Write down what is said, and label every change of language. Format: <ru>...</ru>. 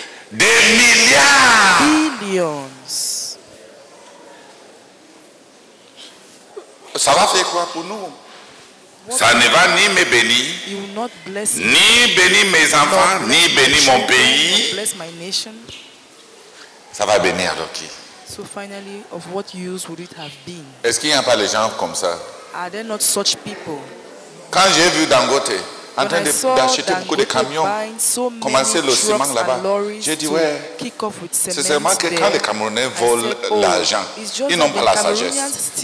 <fr>Des milliards.</fr> <en>Billions.</en> <fr>Ça va faire quoi pour nous? Ça ne va ni me bénir, ni bénir mes enfants, ni bénir mon pays.</fr> <en>Bless my nation.</en> <fr>Ça va bénir alors qui?</fr> <en>So finally, of what use would it have been?</en> <fr>Est-ce qu'il n'y a pas les gens comme ça?</fr> <en>Are there not such people?</en> <fr>Quand j'ai vu Dangote en train d'acheter beaucoup de camions, commencer le ciment là-bas, j'ai dit, ouais, c'est seulement que quand les Camerounais volent l'argent, ils n'ont pas la sagesse.</fr>